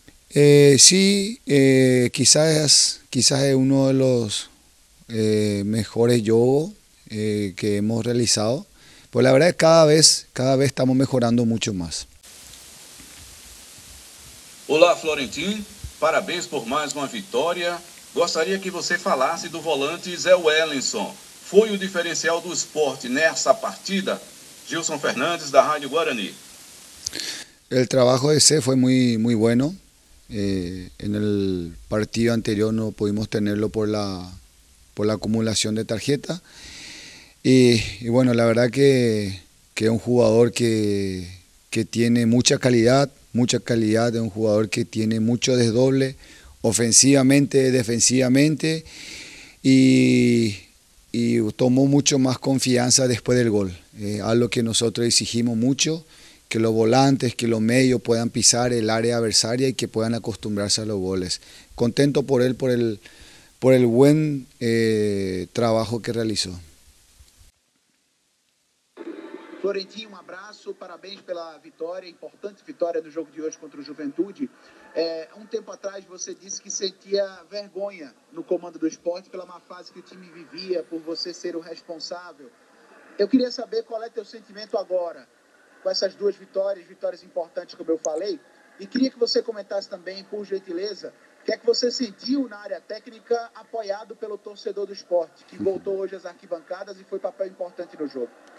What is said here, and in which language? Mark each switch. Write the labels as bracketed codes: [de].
[es] Sí, quizás es uno de los mejores yogos que hemos realizado. Pues la verdad es que cada vez estamos mejorando mucho más. [pt] Olá, Florentin. Parabéns por mais uma vitória. Gostaria que você falasse do volante Zé Wellinson. Foi o diferencial do Sport nessa partida? Gilson Fernandes, da Rádio Guarani. [es] El trabajo de C fue muy bueno. En el partido anterior no pudimos tenerlo por la acumulación de tarjeta. Y bueno, la verdad que es un jugador que tiene mucha calidad, es un jugador que tiene mucho desdoble, ofensivamente, defensivamente, y tomó mucho más confianza después del gol. Algo que nosotros exigimos mucho, que los volantes, que los medios puedan pisar el área adversaria y que puedan acostumbrarse a los goles. Contento por él, por el buen trabajo que realizó. [pt] Florentino, um abraço, parabéns pela vitória, importante vitória do jogo de hoje contra o Juventude. Um tempo atrás você disse que sentia vergonha no comando do Sport pela má fase que o time vivia, por você ser o responsável. Eu queria saber qual é teu sentimento agora, com essas duas vitórias, vitórias importantes como eu falei, e queria que você comentasse também, por gentileza, o que é que você sentiu na área técnica apoiado pelo torcedor do Sport, que voltou hoje às arquibancadas e foi papel importante no jogo.